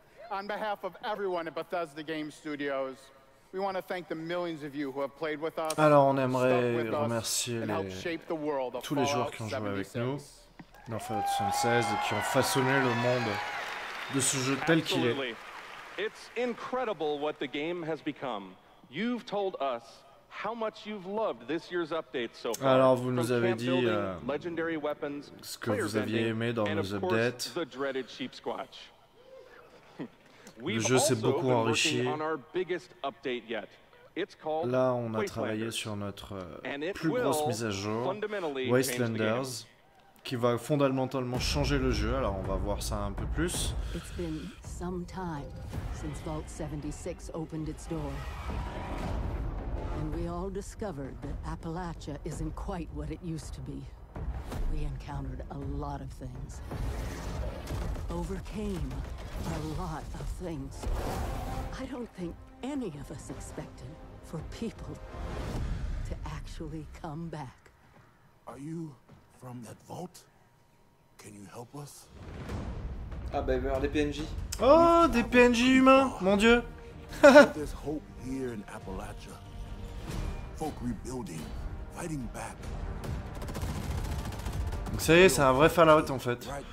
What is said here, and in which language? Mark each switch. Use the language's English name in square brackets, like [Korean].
[English] On behalf of everyone at Bethesda Game Studios, we want to thank the millions of you who have played with us. [French] Alors, on aimerait remercier tous les joueurs qui ont joué avec nous dans Fallout 76 et qui ont façonné le monde de ce jeu tel qu'il est. [English] It's incredible what the game has become. You've told us how much you've loved this year's update so far. [French] Alors vous nous avez dit legendary weapons, ce que vous aviez aimé dans nos updates. [English] The dreaded sheep squatch. [French] Le jeu s'est beaucoup enrichi. Là, on a travaillé sur notre plus grosse mise à jour, Wastelanders, qui va fondamentalement changer le jeu. Alors, on va voir ça un peu plus. [English] It's been some time since Vault 76 opened its door. And we all discovered that Appalachia isn't quite what it used to be. We encountered a lot of things. Overcame a lot of things. I don't think any of us expected for people to actually come back. Are you from that vault? Can you help us? [French] Ah bah il va y avoir des PNJ. Oh, des PNJ humains, mon dieu. [English] There's hope here in Appalachia. Folk rebuilding, fighting back. [French] Donc ça y est, c'est un vrai Fallout en fait.